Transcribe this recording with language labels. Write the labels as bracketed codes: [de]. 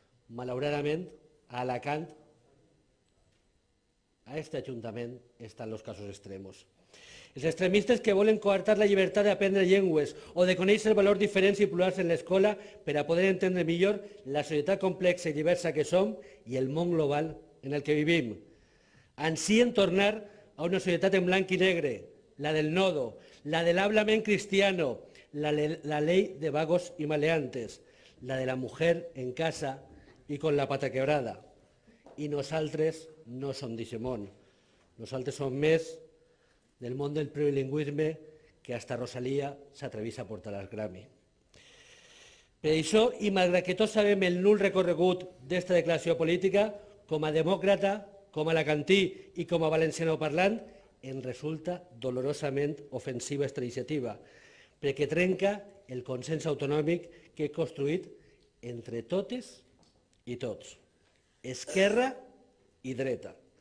[ca] Malauradament, a Alacant, [es] a este ayuntament, están los casos extremos. [ca] Els extremistes que volen coartar la llibertat d'aprendre llengües o de conèixer el valor diferents i plurals en l'escola per a poder entendre millor la societat complexa i diversa que som i el món global en el que vivim. Ansien tornar a una societat en blanc i negre, [es] la del nodo, la del hablament cristiano, la ley de vagos y maleantes, la de la mujer en casa y con la pata quebrada. [ca] I nosaltres no som Digimon. Nosaltres som més del món del plurilingüisme que hasta Rosalía s'atrevís a portar al Grammy. Per això, i malgrat que tots sabem el nul recorregut d'esta declaració política, com a demòcrata, com a alacantí i com a valenciano parlant, en resulta dolorosament ofensiva esta iniciativa, perquè trenca el consens autonòmic que he construït entre totes i tots, esquerra i dreta.